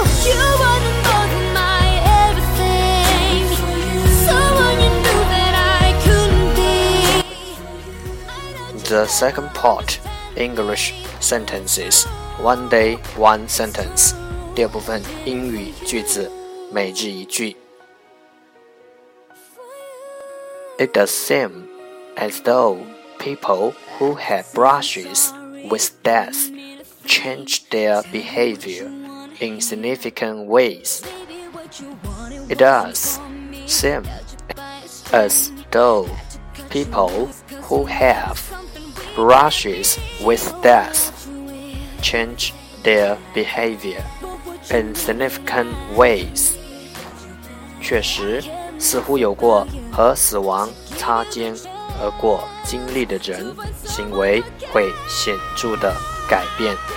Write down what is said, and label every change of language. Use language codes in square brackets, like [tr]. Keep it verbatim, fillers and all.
[en] You are the one in my everything. Someone you knew that I couldn't be. The second part, English sentences. One day, one sentence. [zh] 第二部分英语句子每日一句。 [en] It does seem as though people who had brushes with death changed their behavior in significant ways. It does seem as though people who have brushes with death change their behavior in significant ways. [zh] 确实，似乎有过和死亡擦肩而过经历的人，行为会显著的改变。